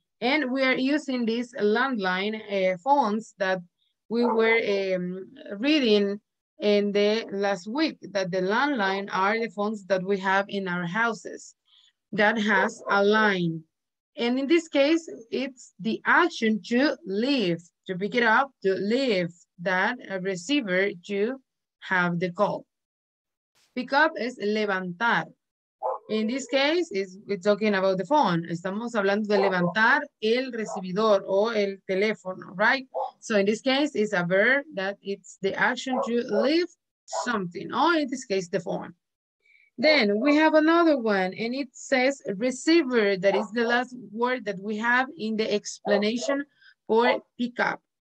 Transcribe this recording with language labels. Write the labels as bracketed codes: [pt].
[en] And we are using these landline phones that we were reading in the last week, that the landline are the phones that we have in our houses that has a line. And in this case, it's the action to leave, to pick it up, to leave that receiver to have the call. Pick up is levantar. In this case, we're talking about the phone. [es] Estamos hablando de levantar el recibidor o el teléfono, right? [en] So in this case, it's a verb that it's the action to leave something, or in this case, the phone. Then we have another one, and it says receiver. That is the last word that we have in the explanation for pick up.